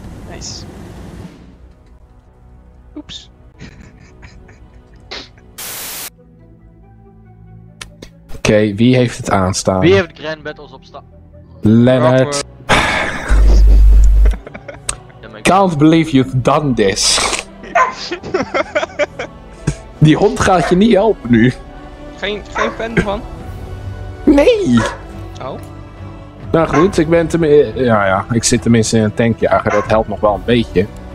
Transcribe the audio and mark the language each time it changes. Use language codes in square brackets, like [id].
[en] Nice. [nl] Oeps. Oké, wie heeft het aanstaan? Wie heeft Grand Battles op staan? Leonard. [en] Can't believe you've done this. [nl] Die hond gaat je niet helpen nu. Geen fan ervan? Nee! Oh? Nou goed, ik ben tenminste... Ja, ik zit tenminste in een tankjager. Dat helpt nog wel een beetje.